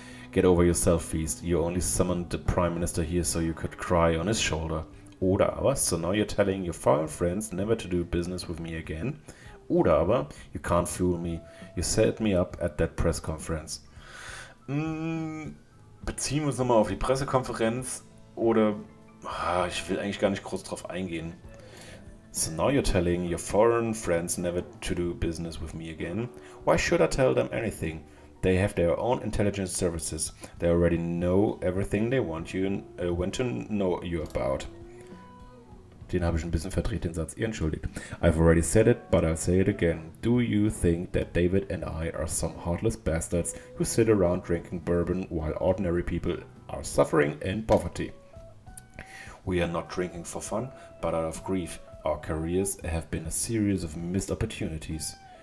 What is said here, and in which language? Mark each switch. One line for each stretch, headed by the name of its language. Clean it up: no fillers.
English: Get over yourself, Feast. You only summoned the Prime Minister here so you could cry on his shoulder.
German: Oder aber,
English: so now you're telling your foreign friends never to do business with me again.
German: Oder aber,
English: you can't fool me. You set me up at that press conference.
German: Beziehen wir uns nochmal auf die Pressekonferenz. Oder, ich will eigentlich gar nicht groß drauf eingehen.
English: So now you're telling your foreign friends never to do business with me again. Why should I tell them anything? They have their own intelligence services. They already know everything they want you want to know you about.
German: Den habe ich ein bisschen verdreht, den Satz. Ihr entschuldigt.
English: I've already said it, but I'll say it again. Do you think that David and I are some heartless bastards who sit around drinking bourbon while ordinary people are suffering in poverty? We are not drinking for fun, but out of grief. Our careers have been a series of missed opportunities.